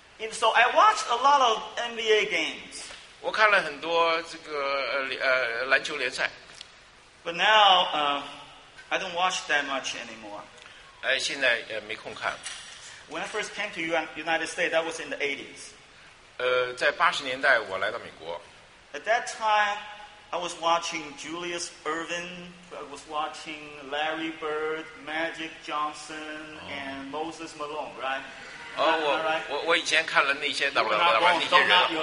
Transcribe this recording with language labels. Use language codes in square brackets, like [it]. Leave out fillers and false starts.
[en] So I watched a lot of NBA games. [zh] 我看了很多这个篮球联赛。 [en] But now, I don't watch that much anymore. [zh] 现在没空看。 [en] When I first came to United States, that was in the 80s. [zh] 在80年代我来到美国。 [en] At that time, I was watching Julius Irvin, I was watching Larry Bird, Magic Johnson, and Moses Malone, right? [zh] 我以前看了那些 WWE 那些人。